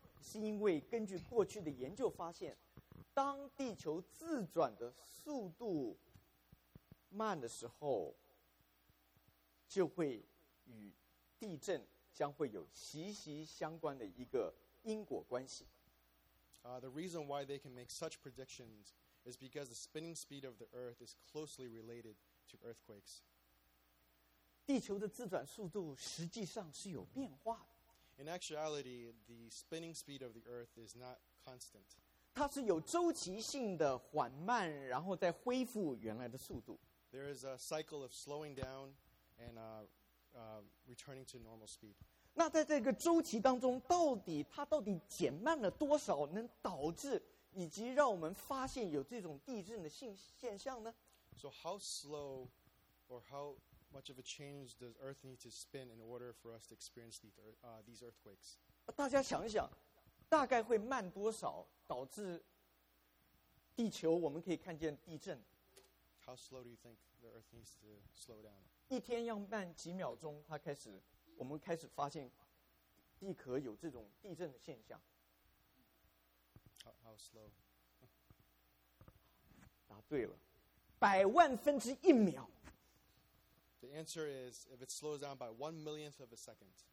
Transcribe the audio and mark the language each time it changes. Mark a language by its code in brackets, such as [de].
[zh] 是因为根据过去的研究发现，当地球自转的速度慢的时候，就会与地震将会有息息相关的一个因果关系。 [en] The reason why they can make such predictions is because the spinning speed of the Earth is closely related to earthquakes. [zh] 地球的自转速度实际上是有变化的。 [en] In actuality, the spinning speed of the Earth is not constant. [zh] 它是有周期性的缓慢，然后再恢复原来的速度。 [en] There is a cycle of slowing down and returning to normal speed. [zh] 那在这个周期当中，到底它到底减慢了多少，能导致以及让我们发现有这种地震的现象呢？ [en] So how slow or how much of a change does Earth need to spin in order for us to experience these earthquakes? [zh] 大家想一想，大概会慢多少导致地球我们可以看见地震？ [en] How slow do you think the Earth needs to slow down? [zh] 一天要慢几秒钟，它开始，我们开始发现地壳有这种地震的现象。 [en] How slow? [zh] 答对了，百万分之一秒。 [en] The answer is if it slows down by 1/1 of a second.